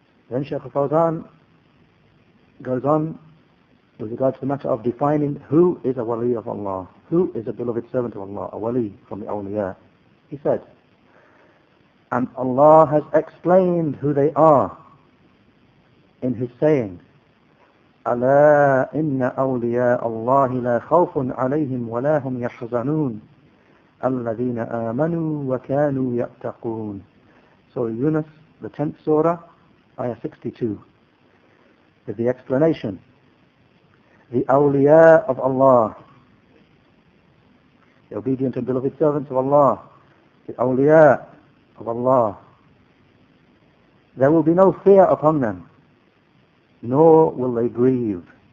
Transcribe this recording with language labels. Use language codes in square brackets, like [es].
[en] Then Shaykh al-Fawzan goes on with regard to the matter of defining who is a wali of Allah, who is a beloved servant of Allah, a wali from the awliya. He said, and Allah has explained who they are in his saying, [ar] أَلَا إِنَّ أَوْلِيَاءَ اللَّهِ لَا خَوْفٌ عَلَيْهِمْ وَلَا هُمْ يَحْزَنُونَ الَّذِينَ آمَنُوا وَكَانُوا يَأْتَقُونَ. [en] Surah Yunus, the 10th surah, ayah 62. With the explanation, the awliya of Allah, the obedient and beloved servants of Allah, the awliya of Allah, there will be no fear upon them, nor will they grieve.